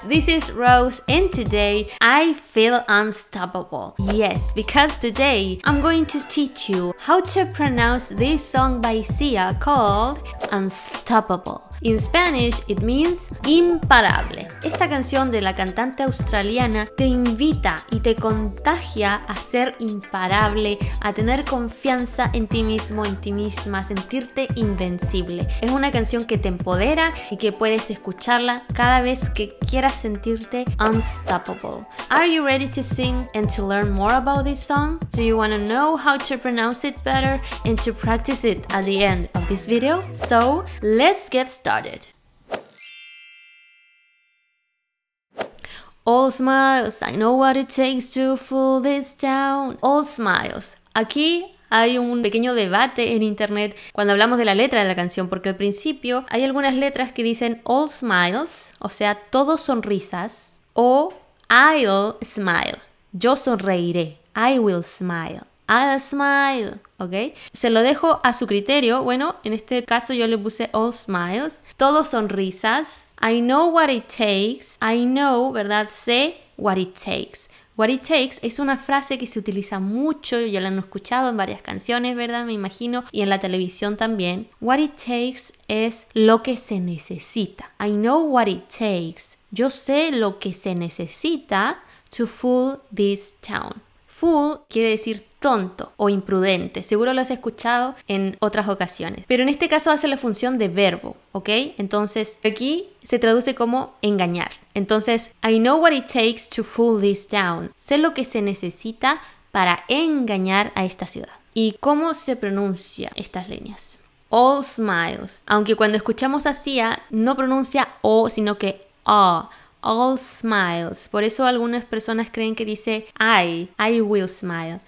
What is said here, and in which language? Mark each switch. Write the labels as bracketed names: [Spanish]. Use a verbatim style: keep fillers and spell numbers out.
[English] This is Rose and today I feel unstoppable. Yes, because today I'm going to teach you how to pronounce this song by Sia called Unstoppable. In Spanish, it means imparable. [Spanish] Esta canción de la cantante australiana te invita y te contagia a ser imparable, a tener confianza en ti mismo, en ti misma, a sentirte invencible. Es una canción que te empodera y que puedes escucharla cada vez que quieras sentirte unstoppable. [English] Are you ready to sing and to learn more about this song? Do you want to know how to pronounce it better and to practice it at the end of this video? So, let's get started. All smiles, I know what it takes to fool this town. All smiles. [Spanish] Aquí hay un pequeño debate en internet cuando hablamos de la letra de la canción, porque al principio hay algunas letras que dicen all smiles, o sea, todos sonrisas, o I'll smile, yo sonreiré, I will smile. I'll smile, ¿ok? Se lo dejo a su criterio. Bueno, en este caso yo le puse all smiles, todos sonrisas. [English] I know what it takes. I know, ¿verdad? Sé what it takes. [Spanish] What it takes es una frase que se utiliza mucho, ya la han escuchado en varias canciones, ¿verdad? Me imagino, y en la televisión también. What it takes es lo que se necesita. [English] I know what it takes. Yo sé lo que se necesita to fool this town. [Spanish] Fool quiere decir tonto o imprudente, seguro lo has escuchado en otras ocasiones, pero en este caso hace la función de verbo, ¿ok? Entonces aquí se traduce como engañar. [English] Entonces, I know what it takes to fool this town. [Spanish] Sé lo que se necesita para engañar a esta ciudad. ¿Y cómo se pronuncia estas líneas? All smiles. Aunque cuando escuchamos a Sia no pronuncia o, sino que a. All smiles. Por eso algunas personas creen que dice I, I will smile.